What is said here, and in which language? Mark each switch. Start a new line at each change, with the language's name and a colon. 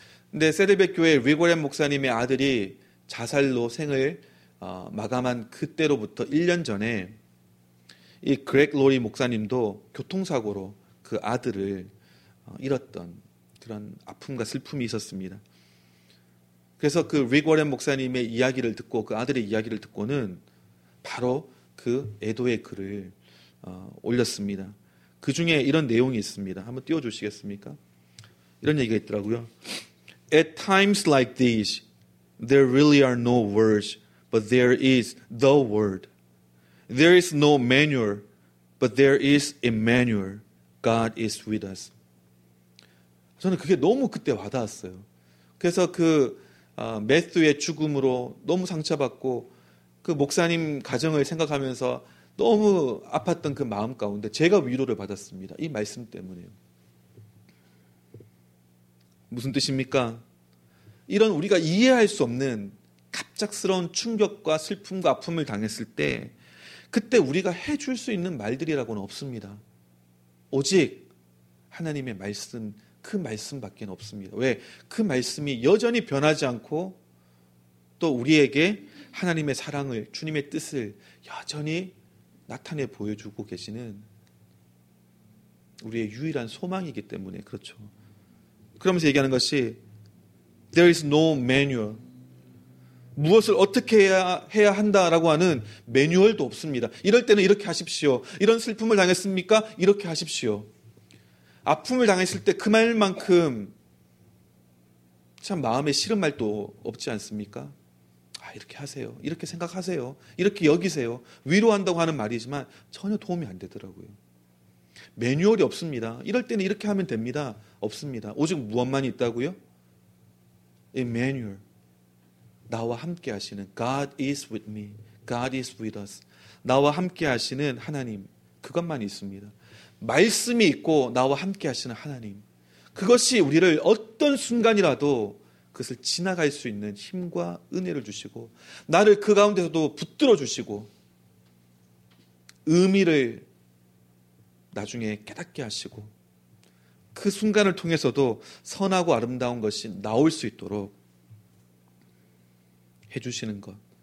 Korean: 근데 세르베교회 리고렌 목사님의 아들이 자살로 생을 마감한 그때로부터 1년 전에 이 그렉 로리 목사님도 교통사고로 그 아들을 잃었던 그런 아픔과 슬픔이 있었습니다. 그래서 그 리고렌 목사님의 이야기를 듣고 그 아들의 이야기를 듣고는 바로 그 애도의 글을 올렸습니다. 그 중에 이런 내용이 있습니다. 한번 띄워주시겠습니까? 이런 얘기가 있더라고요.
English: At times like these, there really are no words, but there is the word. There is no manual, but there is Emmanuel. God is with us.
Korean: 저는 그게 너무 그때 와닿았어요. 그래서 그 매스의 죽음으로 너무 상처받고 그 목사님 가정을 생각하면서 너무 아팠던 그 마음 가운데 제가 위로를 받았습니다. 이 말씀 때문에요. 무슨 뜻입니까? 이런 우리가 이해할 수 없는 갑작스러운 충격과 슬픔과 아픔을 당했을 때, 그때 우리가 해줄 수 있는 말들이라고는 없습니다. 오직 하나님의 말씀 그 말씀밖에 없습니다. 왜? 그 말씀이 여전히 변하지 않고 또 우리에게 하나님의 사랑을, 주님의 뜻을 여전히 나타내 보여주고 계시는 우리의 유일한 소망이기 때문에 그렇죠. 그러면서 얘기하는 것이
English: There is no manual.
Korean: 무엇을 어떻게 해야 한다라고 하는 매뉴얼도 없습니다. 이럴 때는 이렇게 하십시오. 이런 슬픔을 당했습니까? 이렇게 하십시오. 아픔을 당했을 때 그 말만큼 참 마음에 싫은 말도 없지 않습니까? 아, 이렇게 하세요. 이렇게 생각하세요. 이렇게 여기세요. 위로한다고 하는 말이지만 전혀 도움이 안 되더라고요. 매뉴얼이 없습니다. 이럴 때는 이렇게 하면 됩니다. 없습니다. 오직 무엇만 있다고요? 매뉴얼. 나와 함께 하시는
English: God is with me. God is with us.
Korean: 나와 함께 하시는 하나님. 그것만 있습니다. 말씀이 있고 나와 함께 하시는 하나님. 그것이 우리를 어떤 순간이라도 그것을 지나갈 수 있는 힘과 은혜를 주시고 나를 그 가운데서도 붙들어 주시고 의미를 나중에 깨닫게 하시고 그 순간을 통해서도 선하고 아름다운 것이 나올 수 있도록 해주시는 것.